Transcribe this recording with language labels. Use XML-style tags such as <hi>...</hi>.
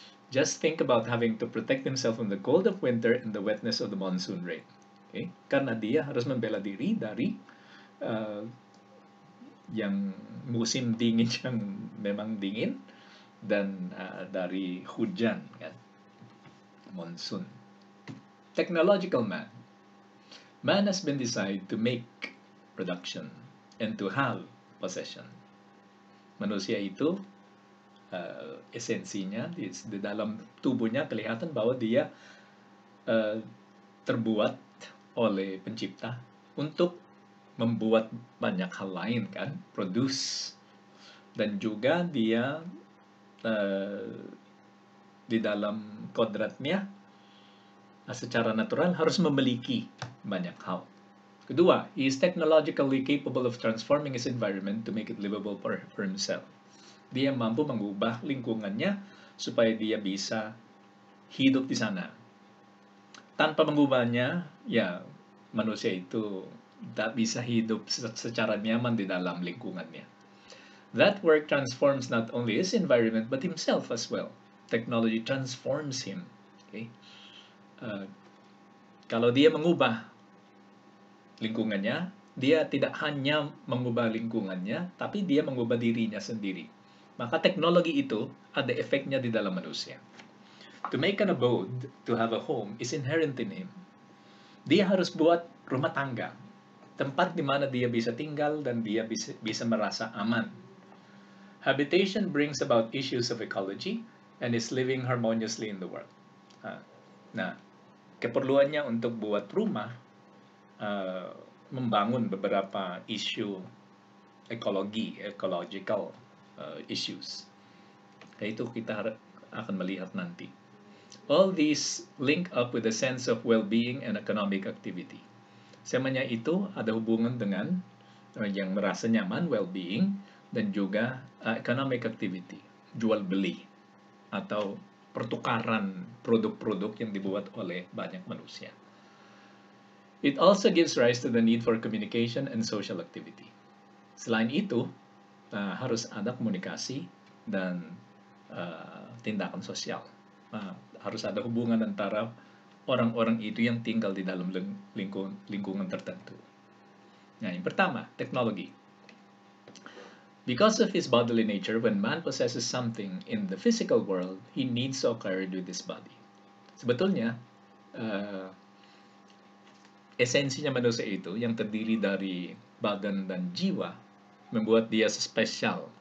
<en>Just think about having to protect himself from the cold of winter and the wetness of the monsoon rain. Okay?</en> <id>Karena dia harus membela diri dari yang musim dingin yang memang dingin dan dari hujan, kan?</id> <en>Monsoon. Technological man. Man has been designed to make production and to have possession.</en> <id>Manusia itu esensinya di dalam tubuhnya kelihatan bahwa dia terbuat oleh pencipta untuk membuat banyak hal lain kan, produce, dan juga dia di dalam kodratnya secara natural harus memiliki banyak hal. Kedua,</id> <en>he is technologically capable of transforming his environment to make it livable for himself.</en> <id>Dia mampu mengubah lingkungannya supaya dia bisa hidup di sana. Tanpa mengubahnya, ya manusia itu tak bisa hidup secara nyaman di dalam lingkungannya.</id> <en>That work transforms not only his environment but himself as well. Technology transforms him. Okay?</en> <id>Kalau dia mengubah lingkungannya, dia tidak hanya mengubah lingkungannya, tapi dia mengubah dirinya sendiri. Maka teknologi itu ada efeknya di dalam manusia.</id> <en>To make an abode, to have a home, is inherent in him.</en> <id>Dia harus buat rumah tangga, tempat di mana dia bisa tinggal dan dia bisa merasa aman.</id> <en>Habitation brings about issues of ecology and is living harmoniously in the world.</en> <id>Nah, keperluannya untuk buat rumah membangun beberapa isu ekologi, ecological issues. Itu kita akan melihat nanti.</id> <en>All these link up with a sense of well-being and economic activity.</en> <id>Semuanya itu ada hubungan dengan yang merasa nyaman, well-being, dan juga economic activity, jual-beli, atau pertukaran produk-produk yang dibuat oleh banyak manusia.</id> <en>It also gives rise to the need for communication and social activity.</en> <id>Selain itu, harus ada komunikasi dan tindakan sosial. Harus ada hubungan antara orang-orang itu yang tinggal di dalam lingkungan tertentu. Nah, yang pertama, teknologi.</id> <en>Because of his bodily nature, when man possesses something in the physical world, he needs to acquire it with his body.</en> <id>Sebetulnya, esensinya manusia itu yang terdiri dari badan dan jiwa membuat dia spesial.</id>